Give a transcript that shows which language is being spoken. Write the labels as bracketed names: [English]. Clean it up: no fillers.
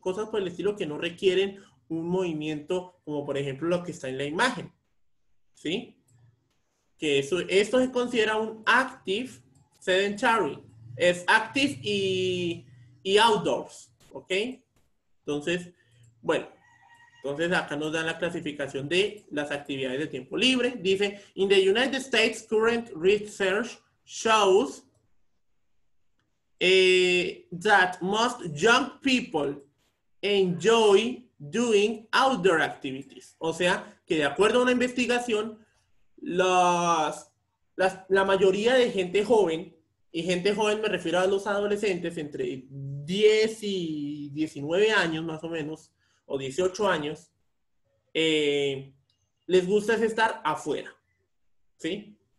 [Spanish] Cosas por el estilo que no requieren un movimiento, como por ejemplo lo que está en la imagen, ¿sí? Que esto se considera un active sedentary. Es active y outdoors, ¿ok? Entonces, bueno, entonces acá nos dan la clasificación de las actividades de tiempo libre. [English] Dice, in the United States, current research shows that most young people enjoy doing outdoor activities. [Spanish] O sea, que de acuerdo a una investigación, la mayoría de gente joven, y gente joven me refiero a los adolescentes entre 10 y 19 años, más o menos, o 18 años, les gusta es estar afuera, ¿sí?